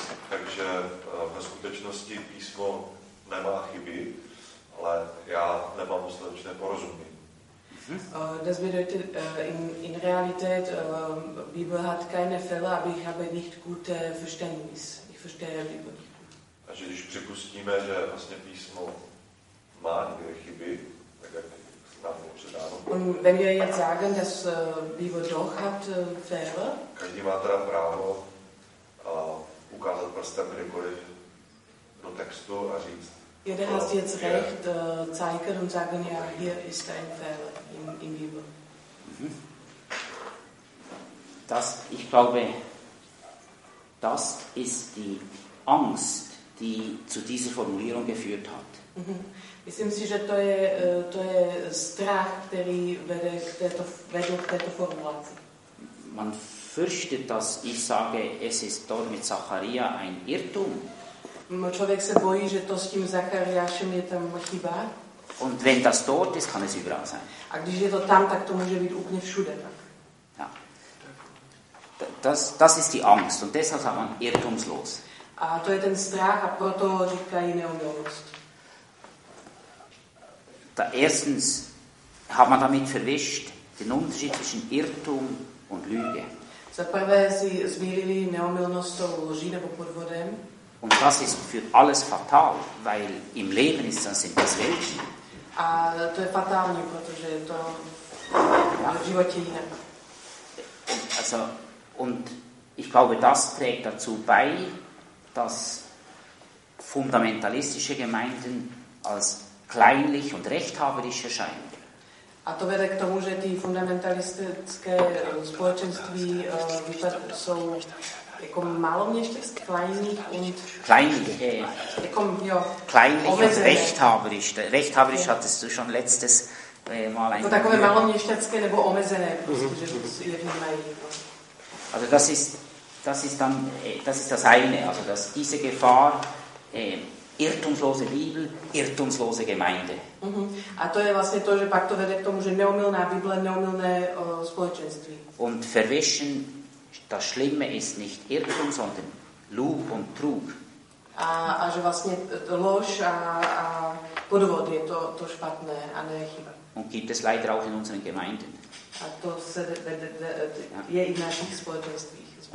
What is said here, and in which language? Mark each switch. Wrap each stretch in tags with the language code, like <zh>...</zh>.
<cs>Takže ve skutečnosti písmo nemá chyby, ale já nemám dostatečné porozumění.</cs> <de>Das bedeutet, in Realität, Bibel hat keine Fehler, aber ich habe nicht gute Verständnis. Ich verstehe Bibel nicht gut.</de> <cs>Also, když připustíme, že vlastně písmo má nějaké chyby, tak jak nám ho předávám.</cs> <de>Und wenn wir jetzt sagen, dass Bibel doch hat Fehler.</de> <cs>Každý má teda právo ukázat prstem kdykoliv do textu a říct,</cs> <de>Ja, der hast jetzt recht, zeigen und sagen, ja, hier ist ein Fehler im Bibel. Das, ich glaube, das ist die Angst, die zu dieser Formulierung geführt hat.</de> <cs>Myslím si, že to je strach, který vede k této formulaci.</cs> <de>Man fürchtet, dass ich sage, es ist dort mit Zacharia ein Irrtum.</de> <cs>Člověk se bojí, že to s tím Zachariášem je tam chyba.</cs> <de>Und wenn das dort ist, kann es überall sein.</de> <cs>A když je to tam, tak to může být úplně všude. Tak.</cs> <de>Ja. Das ist die Angst und deshalb sagt man irrtumslos.</de> <cs>A to je ten strach a proto říkají neomylnost.</cs> <de>Erstens hat man damit verwischt den Unterschied zwischen Irrtum und Lüge.</de> <cs>Za prvé si zmírili neomylnost s lží nebo podvodem.</cs> <de>Und das ist für alles fatal, weil im Leben ist das sind das Welche.</de> <cs>A to je fatální, protože je to v životě jinak.</cs> <de>Und ich glaube, das trägt dazu bei, dass fundamentalistische Gemeinden als kleinlich und rechthaberisch erscheinen.</de> <cs>A to vede k tomu, že ty fundamentalistické společenství jsou jako maloměšťanské,</cs> <de>kleinlich und rechthaberisch. Rechthaberisch hattest du schon letztes Mal ein.</de> <cs>Jako takové maloměšťanské nebo omezené, prostě, že mají.</cs> <de>Also das ist das eine, also dass diese Gefahr irrtumslose Bibel, irrtumslose Gemeinde.</de> <cs>A to je vlastně to, že pak to vede k tomu, že neomylná Bible, neomylné společenství.</cs> <de>Und verwischen, das Schlimme ist nicht Irrtum, sondern Lug und Trug.</de> <cs>A že vlastně lož a podvod je to špatné a ne chyba.</cs> <de>Und gibt es leider auch in unseren Gemeinden.</de> <cs>A to se je i v našich společenstvích.</cs>